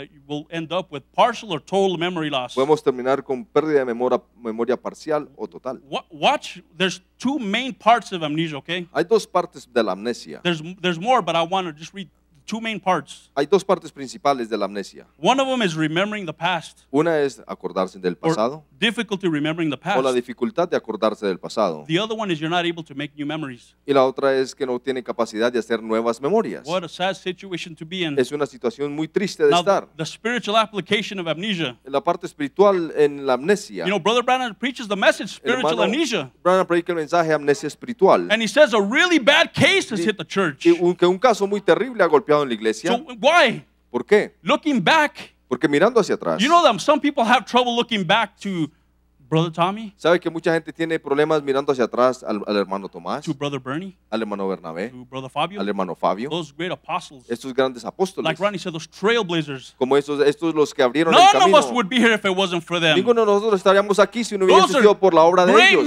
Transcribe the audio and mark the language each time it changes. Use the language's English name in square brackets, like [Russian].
[English] we'll end up with partial or total memory loss. [Spanish] Podemos terminar con pérdida de memoria parcial o total. [English] Watch, there's two main parts of amnesia, okay? [Spanish] Hay dos partes de la amnesia. [English] There's more, but I want to just read two main parts. [Spanish] Hay dos partes principales de la amnesia. [English] One of them is remembering the past. [Spanish] Una es acordarse del pasado. [English] Or difficulty remembering the past. [Spanish] O la dificultad de acordarse del pasado. [English] The other one is you're not able to make new memories. [Spanish] Y la otra es que no tiene capacidad de hacer nuevas memorias. [English] What a sad situation to be in. [Spanish] Es una situación muy triste de estar. [English] The spiritual application of amnesia. [Spanish] La parte espiritual en la amnesia. [English] You know, Brother Branham preaches the message spiritual amnesia. [Spanish] Branham predica el mensaje amnesia espiritual. [English] And he says a really bad case has hit the church. [Spanish] Que un caso muy terrible ha golpeado en la iglesia. [English] So why? [Spanish] ¿Por qué? [English] Looking back. [Spanish] Porque mirando hacia atrás. [English] You know that some people have trouble looking back to Brother Tommy. [Spanish] ¿Sabe que mucha gente tiene problemas mirando hacia atrás al hermano Tomás? [English] To Brother Bernie. [Spanish] Al hermano Bernabé. [English] To Brother Fabio. [Spanish] Al hermano Fabio. [English] Those great apostles. [Spanish] Estos grandes apóstoles. [English] Like Ronnie said, those trailblazers. [Spanish] Como estos los que abrieron [English] None [Spanish] el camino. [English] None of us would be here if it wasn't for them. [Spanish] Ninguno de nosotros estaríamos aquí si no hubiese sido por la obra de ellos.